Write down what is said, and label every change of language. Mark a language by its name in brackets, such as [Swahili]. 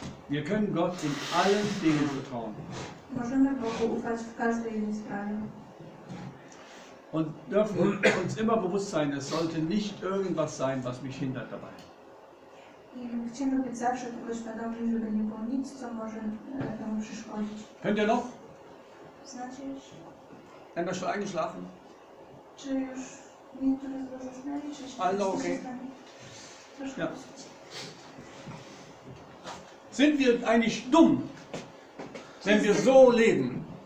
[German] Wir können Gott in allen Dingen vertrauen. [Polish] Możemy Bogu ufać w każdej jednej sprawie. [German] Und dürfen uns immer bewusst sein, es sollte nicht irgendwas sein, was mich hindert dabei. [Polish] Chcemy być zawsze tego świadomi, żeby nie było nic, co może temu przeszkodzić. [German] Könnt ihr noch? [Polish] Znacie już? [German] Haben wir schon eingeschlafen? [Polish] Czy już niektóre z was zasnęli, czy jeszcze [German] Also, okay. [Polish] Troszkę. Ja. [German] Sind wir eigentlich dumm, wenn wir so leben?